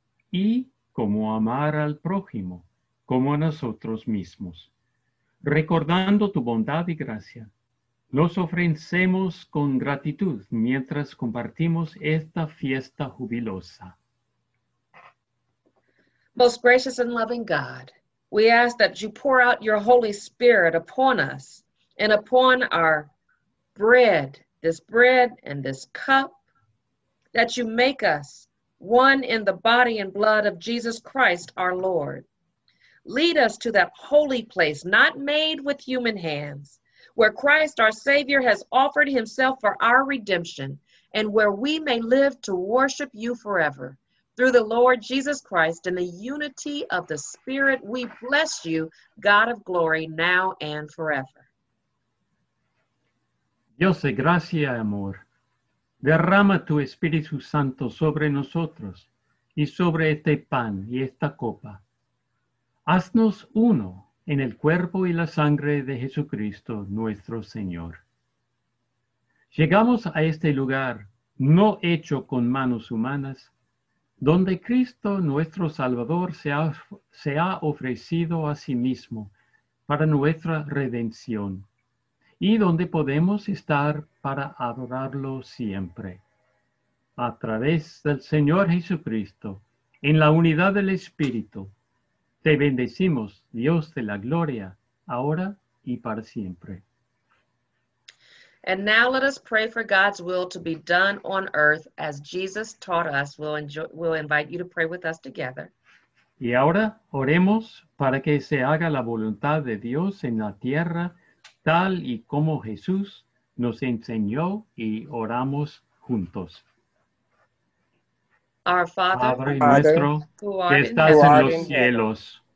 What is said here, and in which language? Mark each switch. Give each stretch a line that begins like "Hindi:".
Spanish: Y cómo amar al prójimo, como a nosotros mismos. Recordando tu bondad y gracia, los ofrecemos con gratitud mientras compartimos esta fiesta jubilosa.
English: Most gracious and loving God, we ask that you pour out your Holy Spirit upon us and upon our bread and this cup, that you make us one in the body and blood of Jesus Christ, our Lord. Lead us to that holy place not made with human hands, where Christ our Savior has offered himself for our redemption, and where we may live to worship you forever. Through the Lord Jesus Christ, in the unity of the Spirit, we bless you, God of glory, now and forever.
Spanish: Dios de gracia y amor, derrama tu Espíritu Santo sobre nosotros y sobre este pan y esta copa. Haznos uno en el cuerpo y la sangre de Jesucristo, nuestro Señor. Llegamos a este lugar, no hecho con manos humanas, donde Cristo, nuestro Salvador, se ha ofrecido a sí mismo para nuestra redención, y donde podemos estar para adorarlo siempre. A través del Señor Jesucristo, en la unidad del Espíritu, te bendecimos, Dios de la gloria, ahora y para siempre.
English: And now let us pray for God's will to be done on earth as Jesus taught us. We'll invite you to pray with us together.
Spanish: Y ahora oremos para que se haga la voluntad de Dios en la tierra, tal y como Jesús nos enseñó, y oramos juntos.
English: Our Father,
Spanish: Padre nuestro, que estás en los cielos,